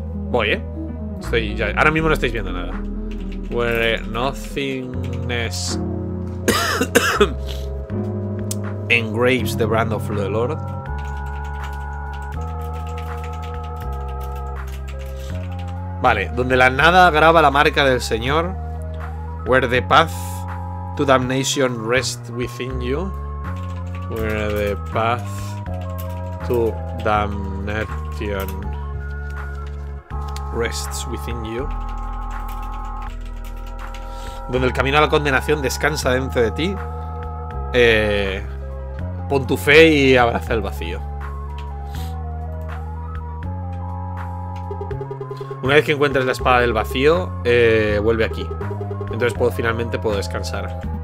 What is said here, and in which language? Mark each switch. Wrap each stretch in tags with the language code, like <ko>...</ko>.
<es>Voy, Estoy ya, ahora mismo no estáis viendo nada.</es> <en>Where nothingness engraves the brand of the Lord.</en> <es>Vale, donde la nada graba la marca del Señor.</es> <en>Where the path to damnation rest within you. Where the path to damnation rests within you.</en> <es>Donde el camino a la condenación descansa dentro de ti. Pon tu fe y abraza el vacío. Una vez que encuentres la espada del vacío, vuelve aquí. Entonces puedo finalmente puedo descansar.</es>